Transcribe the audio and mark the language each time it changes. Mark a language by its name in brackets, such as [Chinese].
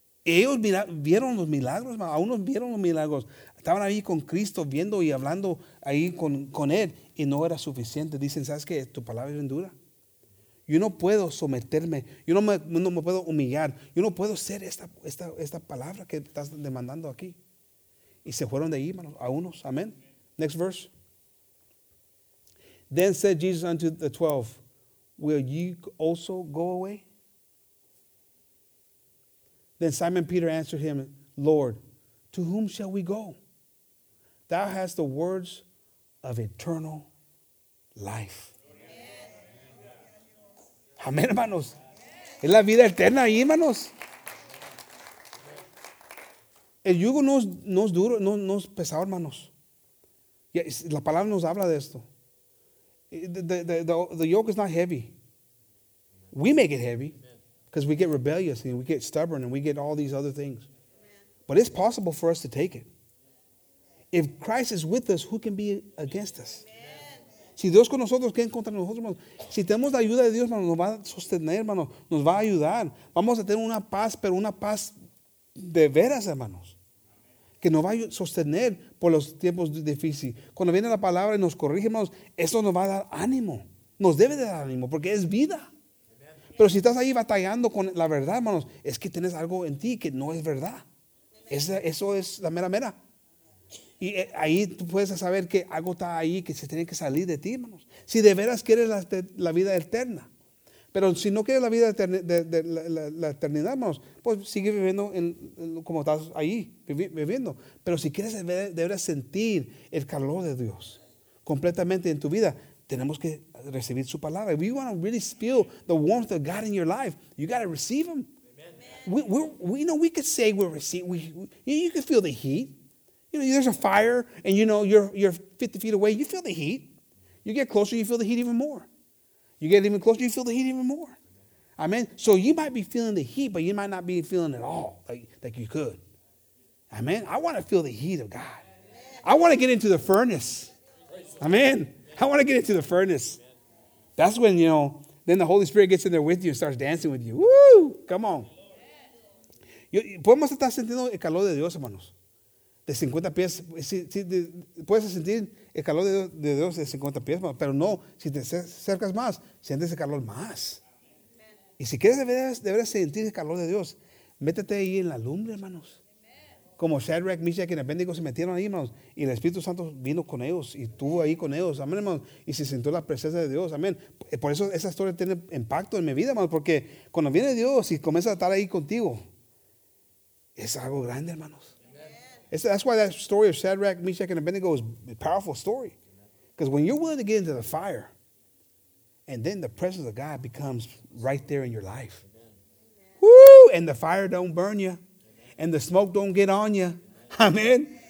[Spanish] Ellos vieron los milagros, a unos vieron los milagros. Estaban ahí con Cristo, viendo y hablando ahí con Él, y no era suficiente. Dicen, ¿sabes qué? Tu palabra es bien dura. Yo no puedo someterme, yo no me puedo humillar, yo no puedo ser esta palabra que estás demandando aquí. Y se fueron de ahí, hermanos, a unos, amén. [English] Next verse. Then said Jesus unto the 12, will ye also go away? Then Simon Peter answered him, Lord, to whom shall we go? Thou hast the words of eternal life. [Spanish] Amén, hermanos. Es la vida eterna ahí, hermanos. El yugo no es duro, no es pesado, hermanos. La palabra nos habla de esto. [English] The yoke is not heavy. We make it heavy because we get rebellious and we get stubborn and we get all these other things. But it's possible for us to take it. If Christ is with us, who can be against us? [Spanish] Si Dios con nosotros, ¿quién contra nosotros, hermanos? Si tenemos la ayuda de Dios, hermanos, nos va a sostener, hermanos, nos va a ayudar. Vamos a tener una paz, pero una paz de veras, hermanos, que nos va a sostener por los tiempos difíciles. Cuando viene la palabra y nos corrige, hermanos, eso nos va a dar ánimo. Nos debe de dar ánimo porque es vida. Pero si estás ahí batallando con la verdad, hermanos, es que tienes algo en ti que no es verdad. Eso es la mera mera. Y ahí tú puedes saber que algo está ahí que se tiene que salir de ti, hermanos. Si de veras quieres la vida eterna. Pero si no quieres la vida de la eternidad, hermanos, pues sigue viviendo como estás ahí, viviendo. Pero si quieres de veras sentir el calor de Dios completamente en tu vida, tenemos que recibir su palabra. [English] If you want to really feel the warmth of God in your life, you got to receive him. We could say we're receiving. You can feel the heat. You know, there's a fire, and you know, you're 50 feet away. You feel the heat. You get closer, you feel the heat even more. You get even closer, you feel the heat even more. Amen? So you might be feeling the heat, but you might not be feeling it all like you could. Amen? I want to feel the heat of God. I want to get into the furnace. Amen? I want to get into the furnace. That's when, you know, then the Holy Spirit gets in there with you and starts dancing with you. Woo! Come on. [Spanish] Podemos estar sintiendo el calor de Dios, hermanos. De 50 pies, puedes sentir el calor de Dios de 50 pies, pero no, si te acercas más, sientes el calor más. Y si quieres deberás sentir el calor de Dios, métete ahí en la lumbre, hermanos. Como Shadrach, Meshach y Abednego se metieron ahí, hermanos, y el Espíritu Santo vino con ellos y estuvo ahí con ellos, amén, hermanos, y se sintió la presencia de Dios, amén. Por eso esa historia tiene impacto en mi vida, hermanos, porque cuando viene Dios y comienza a estar ahí contigo, es algo grande, hermanos. [English] That's why that story of Shadrach, Meshach, and Abednego is a powerful story. Because when you're willing to get into the fire, and then the presence of God becomes right there in your life. Amen. Woo! And the fire don't burn you. Amen. And the smoke don't get on you. Amen. Amen?